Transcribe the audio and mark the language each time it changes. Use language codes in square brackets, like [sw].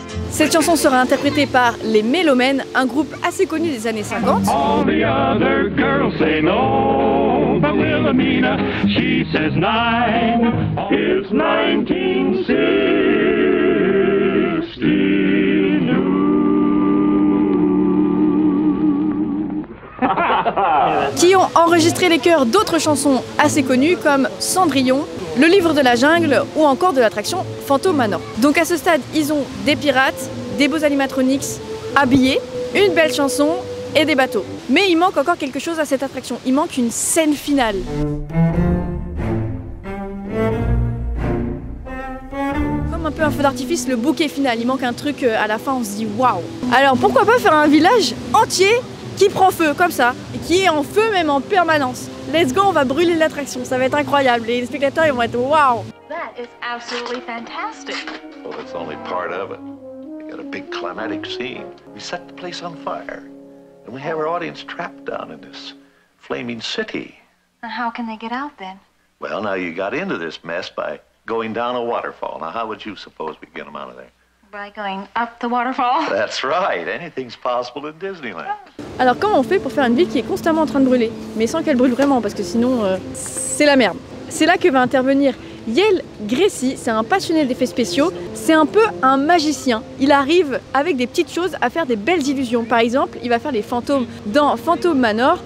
[fr] Cette chanson sera interprétée par les Mélomènes, un groupe assez connu des années 50. [en] All the other girls say no, but Wilhelmina, she says nine, it's 1960. [fr] Qui ont enregistré les chœurs d'autres chansons assez connues comme Cendrillon, Le Livre de la Jungle ou encore de l'attraction Phantom Manor. Donc à ce stade, ils ont des pirates, des beaux animatronics habillés, une belle chanson et des bateaux. Mais il manque encore quelque chose à cette attraction, il manque une scène finale. Un peu un feu d'artifice, le bouquet final, il manque un truc à la fin, on se dit waouh. Alors pourquoi pas faire un village entier qui prend feu comme ça, et qui est en feu même en permanence. [en] Let's go, [fr] on va brûler l'attraction, ça va être incroyable. Les spectateurs, ils vont être waouh. [en] That is absolutely fantastic. Well, it's only part of it. We got a big climatic scene. We set the place on fire. And we have our audience trapped down in this flaming city. And how can they get out then? Well, now you got into this mess by going down a waterfall. Now, how would you suppose we get them out of there? By going up the waterfall. That's right. Anything's possible in Disneyland. [fr] Alors comment on fait pour faire une ville qui est constamment en train de brûler, mais sans qu'elle brûle vraiment, parce que sinon c'est la merde. C'est là que va intervenir Yael Gréci, c'est un passionné d'effets spéciaux, c'est un peu un magicien. Il arrive avec des petites choses à faire des belles illusions. Par exemple, il va faire les fantômes dans Phantom Manor.